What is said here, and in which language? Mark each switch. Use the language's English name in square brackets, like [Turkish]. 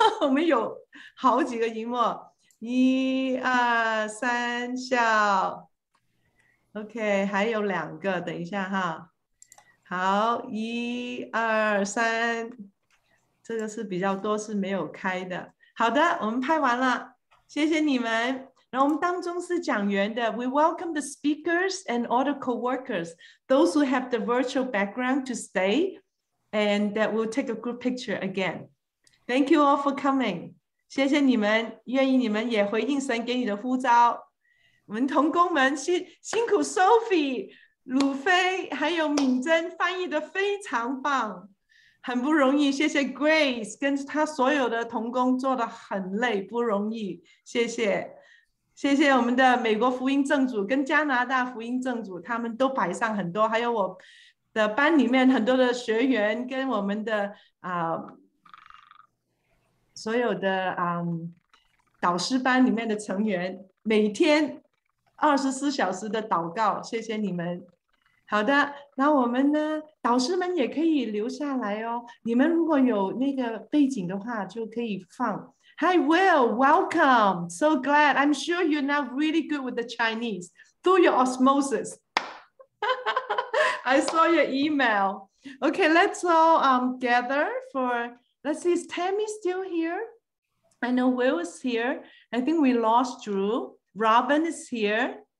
[Chinese] 我们有好几个荧幕，一二三笑 ，OK， 还有两个，等一下哈。好，一二三，这个是比较多是没有开的。好的，我们拍完了，谢谢你们。那我们当中是讲员的 [English] ，We welcome the speakers and all the co-workers, those who have the virtual background to stay, and that will take a group picture again. Thank you all for coming. [Chinese] 谢谢你们，愿意你们也回应神给你的呼召。我们同工们辛苦 Sophie、鲁菲还有敏珍翻译的非常棒，很不容易。谢谢 Grace 跟他所有的同工做的很累，不容易。谢谢。谢谢我们的美国福音正主跟加拿大福音正主，他们都摆上很多，还有我的班里面很多的学员跟我们的、所有的、导师班里面的成员，每天24小时的祷告，谢谢你们。好的，那我们呢，导师们也可以留下来哦，你们如果有那个背景的话就可以放。 [English] Hi Will, welcome. So glad. I'm sure you're now really good with the Chinese through your osmosis. I saw your email. Okay, let's all gather for, let's see, is Tammy still here? I know Will is here. I think we lost Drew. Robin is here.